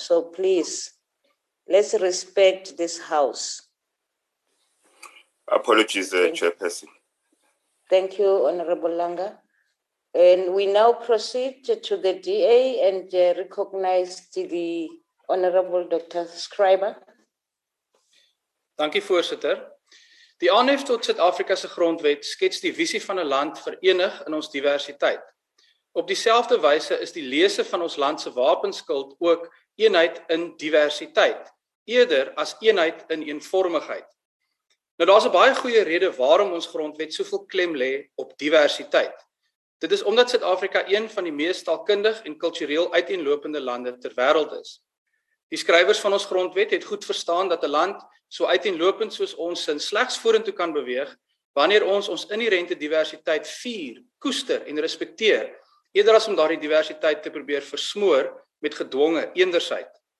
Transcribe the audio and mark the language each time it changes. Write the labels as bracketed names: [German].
[English] So please, let's respect this house. Apologies, Chairperson. Thank you, Honorable Langa. And we now proceed to the DA and recognize the Honorable Dr. Scriber. [Afrikaans] Dankie, voorzitter. Die aanhef tot Suid-Afrika se grondwet skets die visie van 'n land verenig in ons diversiteit. Op dieselfde wyse is die lese van ons land se wapenskild ook eenheid in diversiteit, eerder as eenheid in eenvormigheid. Nou daar's 'n baie goeie rede waarom ons grondwet soveel klem lê op diversiteit. Dit is omdat Suid-Afrika een van die mees taalkundig en kultureel uiteenlopende lande ter wêreld is. Die skrywers van ons grondwet het goed verstaan dat 'n land so uiteenlopend soos ons sin slegs vorentoe kan beweeg wanneer ons ons inherente diversiteit vier, koester en respekteer, eerder as om daardie diversiteit te probeer versmoor met gedwonge eendersheid.